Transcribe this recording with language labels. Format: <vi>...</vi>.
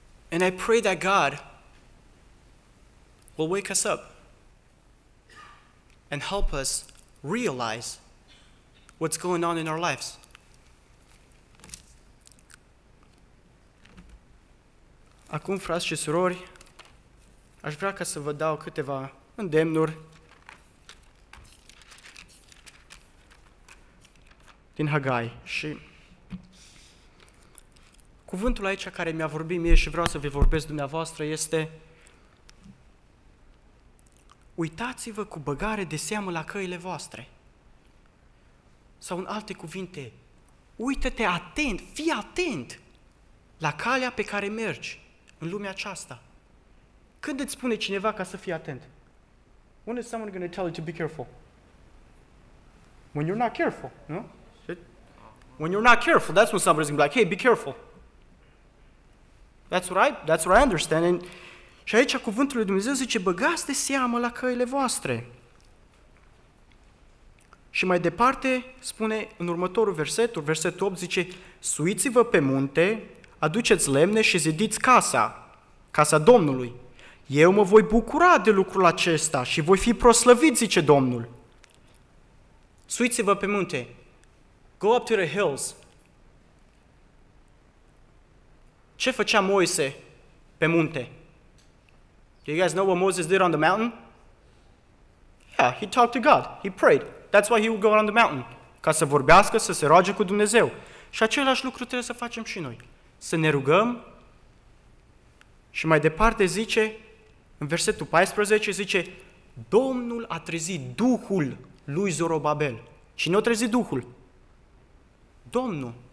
<en>And I pray that God will wake us up and help us realize what's going on in our lives.</en> <ro>Acum, frați și surori, aș vrea ca să vă dau câteva îndemnuri din Hagai. Și cuvântul aici care mi-a vorbit mie și vreau să vă vorbesc dumneavoastră este: uitați-vă cu băgare de seamă la căile voastre. Sau în alte cuvinte, uită-te atent, fii atent la calea pe care mergi în lumea aceasta. Când îți spune cineva ca să fii atent?</ro> <en>When is someone going to tell you to be careful? When you're not careful, no? When you're not careful, that's when somebody's going to be like, hey, be careful. That's what I understand.</en> <ro>And, și aici cuvântul lui Dumnezeu zice, băgați de seamă la căile voastre. Și mai departe spune în următorul verset, versetul 8 zice, suiți-vă pe munte, aduceți lemne și zidiți casa, casa Domnului. Eu mă voi bucura de lucrul acesta și voi fi proslăvit, zice Domnul. Suiți-vă pe munte.</ro> <en>Go up to the hills.</en> <ro>Ce făcea Moise pe munte?</ro> <en>Do you guys know what Moses did on the mountain? Yeah, he talked to God. He prayed. That's why he would go on the mountain.</en> <ro>Ca să vorbească, să se roage cu Dumnezeu. Și același lucru trebuie să facem și noi. Să ne rugăm. Și mai departe zice, în versetul 14 zice, Domnul a trezit Duhul lui Zorobabel. Cine a trezit Duhul? Domnul.</ro>